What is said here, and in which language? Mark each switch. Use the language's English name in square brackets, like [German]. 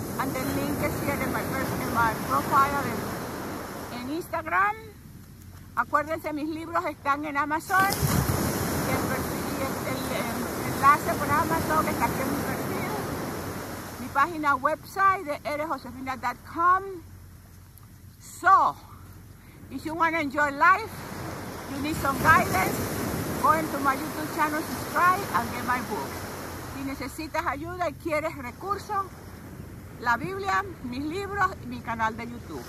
[English] And the link is here in my profile in Instagram. [Spanish] Acuérdense, mis libros están en Amazon. Y el enlace por Amazon está aquí en mi perfil. Mi página website de eresjosefina.com. [English] So, if you want to enjoy life, you need some guidance, go into my YouTube channel, subscribe, and get my book. [Spanish] Si necesitas ayuda y quieres recursos, la Biblia, mis libros y mi canal de YouTube.